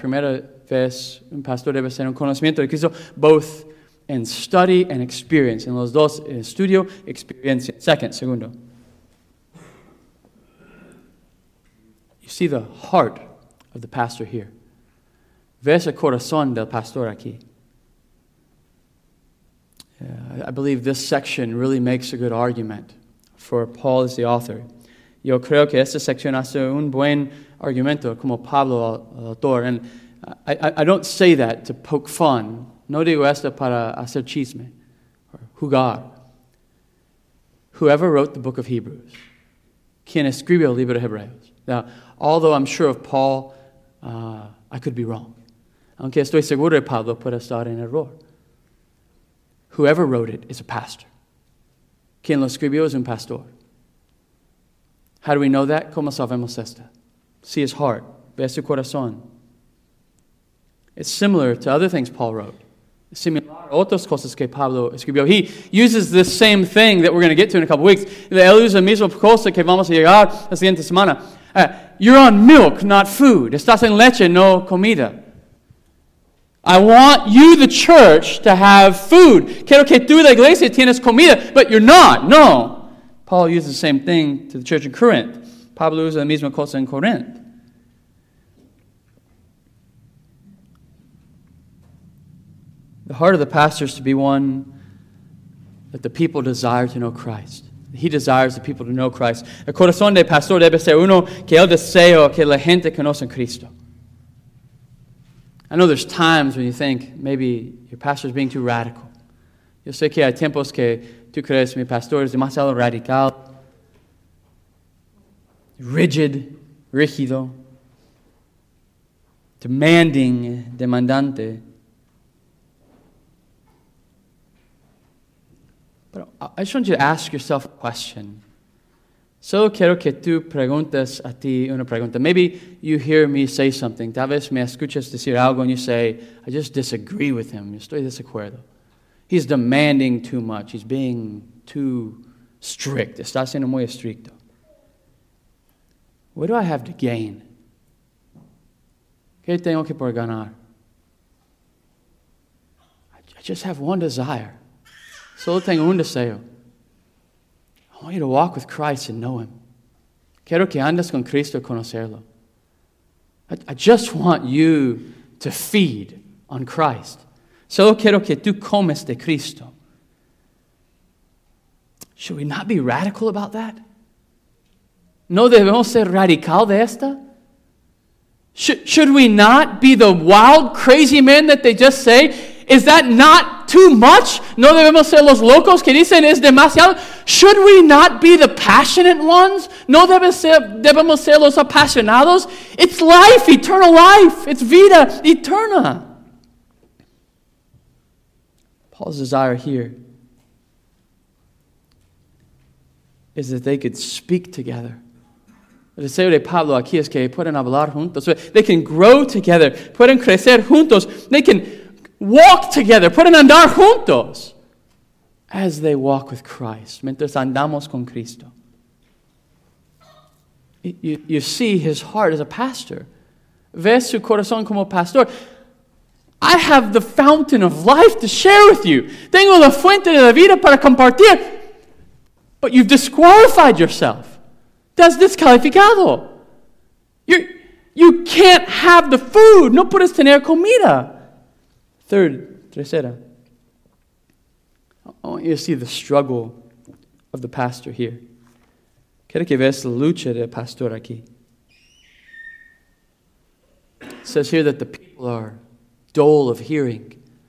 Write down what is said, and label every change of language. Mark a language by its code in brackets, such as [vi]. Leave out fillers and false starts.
[es] Primera vez, un pastor debe ser un conocimiento de Cristo, [en] both in study and experience. [es] En los dos, en estudio, experiencia. Segundo. [en] You see the heart of the pastor here. [es] Ves el corazón del pastor aquí. [en] I believe this section really makes a good argument for Paul as the author. [es] Yo creo que esta sección hace un buen argumento como Pablo, el autor. [en] And I don't say that to poke fun. [es] No digo esto para hacer chisme or jugar. [en] Whoever wrote the book of Hebrews, [es] quien escribió el libro de Hebreos. [en] Now, although I'm sure of Paul, I could be wrong. [es] Aunque estoy seguro de Pablo, puede estar en error. [en] Whoever wrote it is a pastor. [es] Quien lo escribió es un pastor. [en] How do we know that? [es] ¿Cómo sabemos esto? [en] See his heart. [es] Ve su corazón. [en] It's similar to other things Paul wrote. [es] Similar a otras cosas que Pablo escribió. [en] He uses the same thing that we're going to get to in a couple weeks. [es] Él usa la misma cosa que vamos a llegar la siguiente semana. [en] You're on milk, not food. [es] Estás en leche, no comida. [en] I want you, the church, to have food. [es] Quiero que tú, la iglesia, tienes comida, [en] but you're not. [es] No. [en] Paul used the same thing to the church in Corinth. [es] Pablo usa la misma cosa en Corinth. [en] The heart of the pastor is to be one that the people desire to know Christ. He desires the people to know Christ. [es] El corazón del pastor debe ser uno que él desea que la gente conozca Cristo. [en] I know there's times when you think maybe your pastor is being too radical. [es] Yo sé que hay tiempos que tú crees mi pastor es demasiado radical, rigid, rígido, demanding, demandante. [en] But I just want you to ask yourself a question. [es] Solo quiero que tú preguntes a ti una pregunta. [en] Maybe you hear me say something. [es] Tal vez me escuches decir algo [en] and you say, I just disagree with him. [es] Estoy desacuerdo. [en] He's demanding too much. He's being too strict. [es] Está siendo muy estricto. [en] What do I have to gain? [es] ¿Qué tengo que por ganar? [en] I just have one desire. [es] Solo tengo un deseo. [en] I want you to walk with Christ and know him. [es] Quiero que andes con Cristo y conocerlo. [en] I just want you to feed on Christ. [es] Solo quiero que tú comes de Cristo. [en] Should we not be radical about that? [es] ¿No debemos ser radical de esta? [en] Should we not be the wild, crazy men that they just say? Is that not too much? [es] ¿No debemos ser los locos que dicen es demasiado? [en] Should we not be the passionate ones? [es] ¿No debemos ser los apasionados? [en] It's life, eternal life. It's [es] vida eterna. [en] Paul's desire here is that they could speak together. [es] El deseo de Pablo aquí es que pueden hablar juntos. [en] They can grow together. [es] Pueden crecer juntos. [en] They can walk together. [es] Pueden andar juntos. [en] As they walk with Christ. [es] Mientras andamos con Cristo. [en] You see his heart as a pastor. [es] Ves su corazón como pastor. [en] I have the fountain of life to share with you. [es] Tengo la fuente de la vida para compartir. [en] But you've disqualified yourself. [es] Te has descalificado. [en] You can't have the food. [es] No puedes tener comida. Tercera. [en] I want you to see the struggle of the pastor here. [es] Quiero que veas la lucha del pastor aquí. [en] It says here that the people are dull of hearing.